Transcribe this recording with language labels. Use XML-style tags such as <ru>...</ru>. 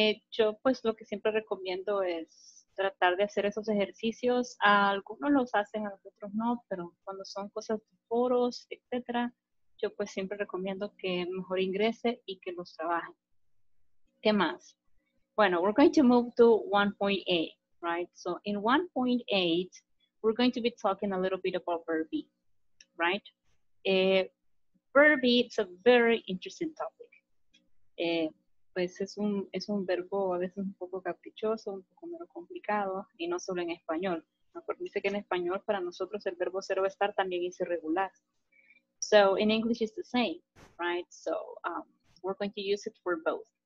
<es>Yo, pues, lo que siempre recomiendo es tratar de hacer esos ejercicios. Algunos los hacen, otros no, pero cuando son cosas de foros, etcétera, yo, pues, siempre recomiendo que mejor ingrese y que los trabaje. ¿Qué más?</es> <en>Bueno, we're going to move to 1.8, right? So, in 1.8, we're going to be talking a little bit about verb, right? Verb, it's a very interesting topic.</en> <es>Pues es un verbo a veces un poco caprichoso, un poco menos complicado, y no solo en español. Acuérdense que en español para nosotros el verbo ser o estar también es irregular.</es> <en>So, in English it's the same, right? So, we're going to use it for both.</en>